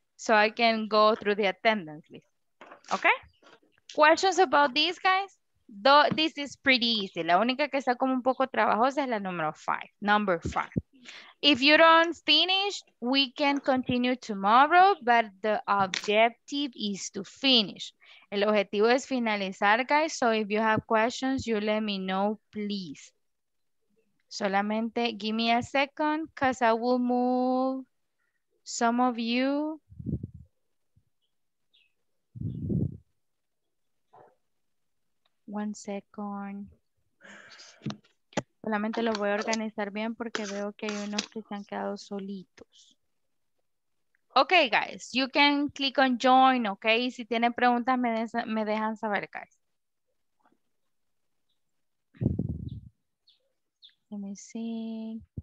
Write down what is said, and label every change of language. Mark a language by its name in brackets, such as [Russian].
[English] So I can go through the attendance list. Okay? Questions about these, guys? Though this is pretty easy. [Spanish] La única que está como un poco trabajosa es la número 5. [English] Number 5. If you don't finish, we can continue tomorrow, but the objective is to finish. [Spanish] El objetivo es finalizar, [English] guys. So if you have questions, you let me know, please. Solamente give me a second, because I will move some of you. One second. [Spanish] Solamente los voy a organizar bien porque veo que hay unos que se han quedado solitos. [English] Okay, guys, you can click on join, okay? [Spanish] Si tienen preguntas, me dejan saber, guys. [English] Let me see.